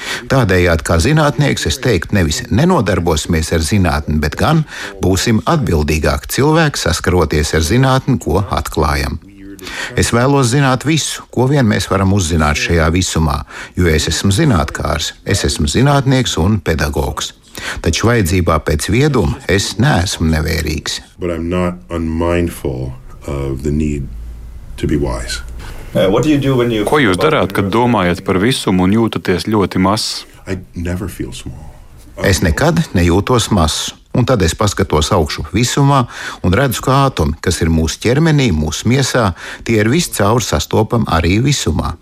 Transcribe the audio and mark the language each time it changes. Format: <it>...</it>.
<lv>Tādējādi, kā zinātnieks, es teiktu, nevis nenodarbosimies ar zinātni, bet gan būsim atbildīgāki cilvēki saskaroties ar zinātni, ko atklājam. Es vēlos zināt visu, ko vien mēs varam uzzināt šajā visumā, jo es esmu zinātkārs, es esmu zinātnieks un pedagogs. Taču vajadzībā pēc vieduma es neesmu nevērīgs.</lv> <en>But I'm not unmindful of the need to be wise. What do you do when you...</en> <lv>Ko jūs darāt, kad domājat par visumu un jūtaties ļoti mazs?</lv> <en>I never feel small.</en> <lv>Es nekad nejūtos mazs. Un tad es paskatos augšu visumā un redzu, ka atomi, kas ir mūsu ķermenī, mūsu miesā, tie ir viss cauri sastopam arī visumā.</lv>